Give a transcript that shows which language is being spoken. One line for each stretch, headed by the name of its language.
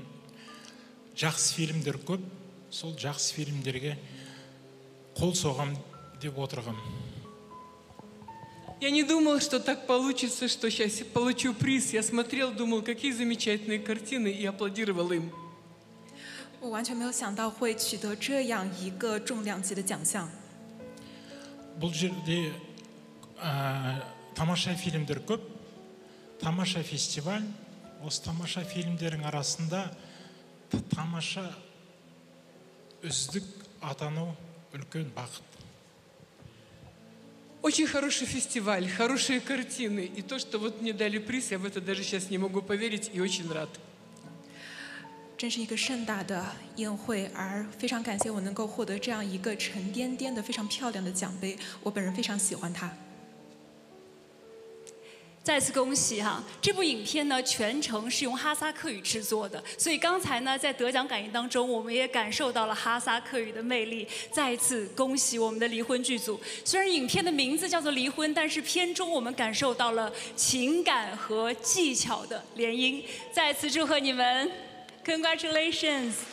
Kyrgyz: Мен жакшы фильмдер көп, сол жакшы фильмдерге Кол согам деп отырған.
Russian: Я не думал, что так получится, что сейчас получу приз. Я смотрел, думал, какие замечательные картины и аплодировал им.
Chinese: 我完全没有想到会取得这样一个重量级的奖项.
Kazakh: Бұл жерде тамаша фильмдер көп, тамаша фестиваль. Осы тамаша фильмдердің арасында тамаша үздік атану үлкен бақыт.
Russian: Очень хороший фестиваль, хорошие картины. И то, что вот мне дали приз, я в это даже сейчас не могу поверить и очень рад.
Chinese: 真是一个盛大的宴会，而非常感谢我能够获得这样一个沉甸甸的、非常漂亮的奖杯。我本人非常喜欢它。再次恭喜哈！这部影片呢，全程是用哈萨克语制作的，所以刚才呢，在得奖感言当中，我们也感受到了哈萨克语的魅力。再次恭喜我们的离婚剧组，虽然影片的名字叫做《离婚》，但是片中我们感受到了情感和技巧的联姻。再次祝贺你们 ，
English: Congratulations！